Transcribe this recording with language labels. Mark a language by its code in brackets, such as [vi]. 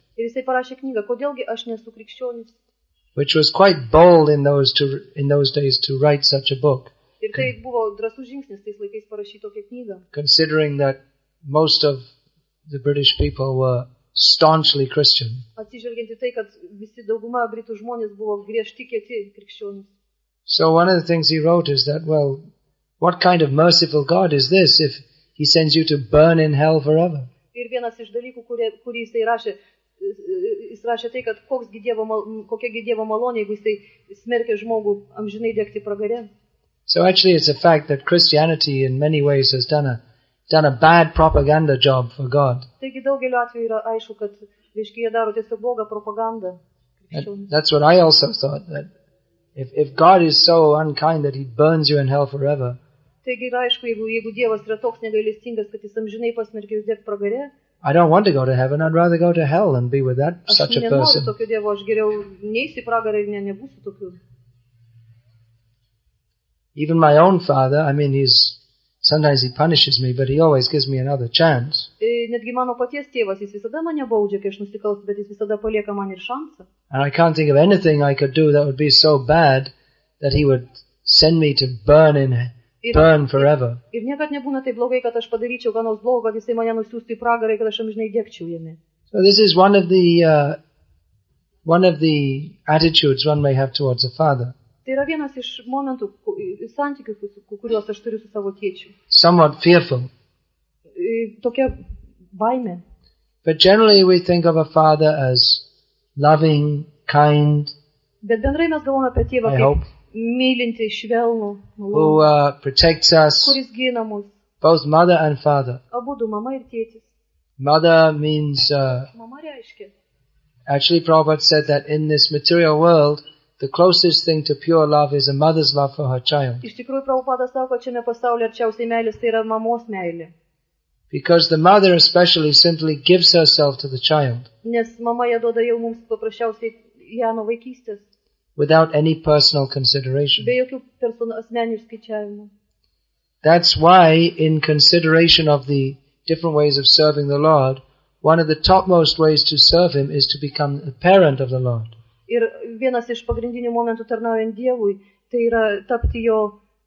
[lt] Ir jisai parašė knygą, kodėl gi aš nesu krikščionis. [en] Which was quite bold in those days to write such a book. [lt] Ir tai buvo drąsus žingsnis tais laikais parašyti tokią knygą. [en] Considering that most of the British people were staunchly Christian. [lt] Atsižvelgiant į tai, kad visi dauguma britų žmonės buvo griežti kieti krikščionys. [en] So one of the things he wrote is that, well, what kind of merciful God is this if he sends you to burn in hell forever? [lt] Ir vienas iš dalykų, kurį jisai rašė, jis rašė tai, kad kokia gi Dievo malonė, jeigu jisai smerkia žmogų amžinai degti pragare. [en] So actually it's a fact that Christianity in many ways has done a bad propaganda job for God. [lt] Taigi daugeliu atveju yra aišku, kad jie daro tiesiog blogą propagandą. [en] That's what I also thought, that if God is so unkind that he burns you in hell forever. [lt] Taigi yra aišku, jeigu Dievas yra toks negailestingas, kad jis amžinai pasmerkia jus degti pragare. [en] I don't want to go to heaven, I'd rather go to hell and be with that such a person. [lt] Aš nenoriu tokio Dievo, aš geriau neisi pragarą ir nebūsiu tokiu. [en] Even my own father, I mean, sometimes he punishes me, but he always gives me another chance. [lt] Netgi mano paties tėvas, jis visada mane baudžia, kai aš nusikalstu, bet jis visada palieka man ir šansą. [en] And I can't think of anything I could do that would be so bad that he would send me to burn forever. [lt] Ir niekad nebūna taip blogai, kad aš padaryčiau ką nors blogo, kad jisai mane nusiųstų į pragarą, kad aš amžinai degčiau jame. [en] So this is one of the attitudes one may have towards a father. [lt] Tai yra vienas iš momentų santykių, kuriuos aš turiu su savo tėčiu. [en] Somewhat fearful. [lt] Tokia baimė. [en] But generally we think of a father as loving, kind. [lt] Bet bendrai mes galvojame apie tėvą kaip mylinti, švelnų, [en] who protects us, [lt] kuris gina mus, [en] both mother and father. [lt] Abudu, mama ir tėtis. [en] Mother means, [lt] mama reiškia. [en] Actually, Prabhupada said that in this material world, the closest thing to pure love is a mother's love for her child. [lt] Iš tikrųjų, Prabhupada sako, kad šiame pasaulyje arčiausiai meilės tai yra mamos meilė. [en] Because the mother especially simply gives herself to the child. [lt] Nes mama ją duoda jau mums paprasčiausiai ją nuo vaikystės. [en] Without any personal consideration. [lt] Be jokių asmeninių skaičiavimų. [en] That's why, in consideration of the different ways of serving the Lord, one of the topmost ways to serve Him is to become a parent of the Lord. [lt] Ir vienas iš pagrindinių momentų tarnaujant Dievui, tai yra tapti jo